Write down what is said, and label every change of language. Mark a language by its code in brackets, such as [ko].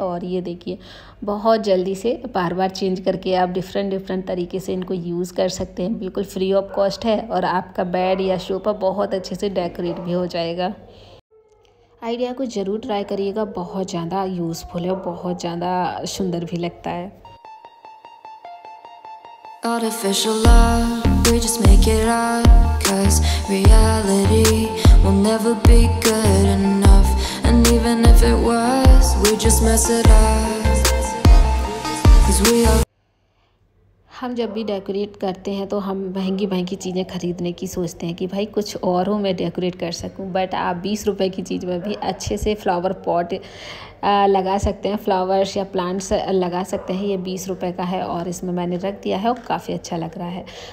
[hi] और ये देखिए बहुत जल्दी से बार बार चेंज करके आप डिफरेंट डिफरेंट तरीके से इनको यूज़ कर सकते हैं, बिल्कुल फ्री ऑफ कॉस्ट है और आपका बेड या सोफा बहुत अच्छे से डेकोरेट भी हो जाएगा. आइडिया को ज़रूर ट्राई करिएगा, बहुत ज़्यादा यूज़फुल है और बहुत ज़्यादा सुंदर भी लगता है. [en] Artificial love, we just make it up, cause reality will never be good enough, and even if it was, we just mess it up, cause we are. [hi] हम जब भी डेकोरेट करते हैं तो हम महंगी महंगी चीज़ें खरीदने की सोचते हैं कि भाई कुछ और हो मैं डेकोरेट कर सकूं, बट आप 20 रुपए की चीज़ में भी अच्छे से फ्लावर पॉट लगा सकते हैं, फ्लावर्स या प्लांट्स लगा सकते हैं. ये 20 रुपए का है और इसमें मैंने रख दिया है और काफ़ी अच्छा लग रहा है.